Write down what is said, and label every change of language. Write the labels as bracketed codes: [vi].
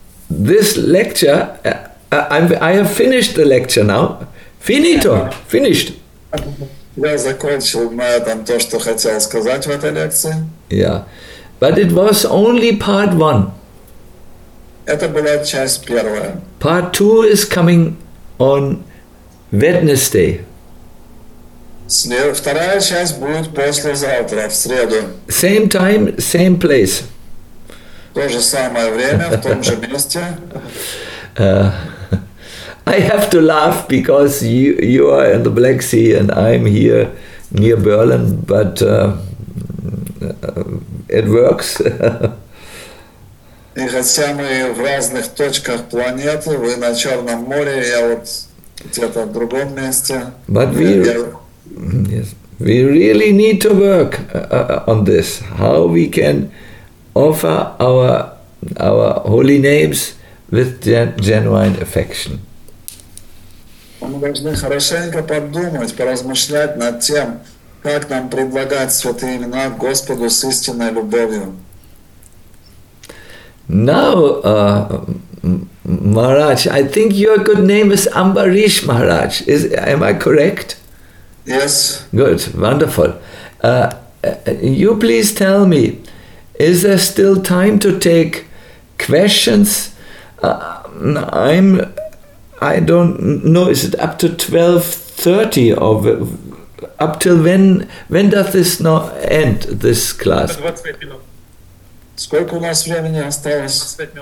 [en] This lecture, I have finished the lecture now. Finito, finished. [ru] Я закончил на этом то, что хотел сказать в этой лекции. [en] Yeah, but it was only part one. [ru] Это была часть первая. [en] Part two is coming on Wednesday. [ru] Вторая часть будет послезавтра, в среду. [en] Same time, same place. [ru] То же самое время, в том же месте. [en] I have to laugh because you are in the Black Sea and I'm here near Berlin, but it works. [ru] И хотя мы в разных точках планеты, вы на Черном море, я вот где-то в другом месте. [en] But we really need to work on this. How we can offer our holy names with genuine affection. [ru] Мы должны хорошенько подумать, поразмышлять над тем, как нам предлагать святые имена Господу с истинной любовью. [en] Now, Maharaj, I think your good name is Ambarish Maharaj. Am I correct? Yes. Good, wonderful. You please tell me, is there still time to take questions? I don't know, is it up to 12:30 or up till when does this not end, this class? [ru] Сколько у нас времени осталось?